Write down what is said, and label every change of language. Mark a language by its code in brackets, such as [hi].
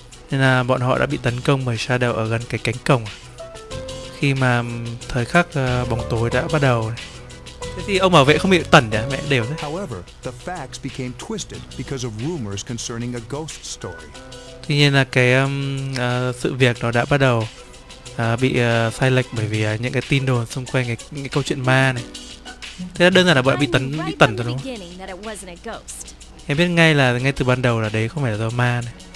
[vi] Nên là bọn họ đã bị tấn công bởi Shadow ở gần cái cánh cổng khi mà thời khắc bóng tối đã bắt đầu. Thế thì ông bảo vệ không bị tẩn nhỉ? Mẹ đều thế. [en] However, the facts became twisted because of rumors concerning a ghost story. [vi] Tuy nhiên là cái sự việc đó đã bắt đầu bị sai lệch bởi vì những cái tin đồn xung quanh cái câu chuyện ma này. Thế là đơn giản là bọn bị tẩn rồi đúng không? Em biết ngay từ ban đầu là đấy không phải là do ma này.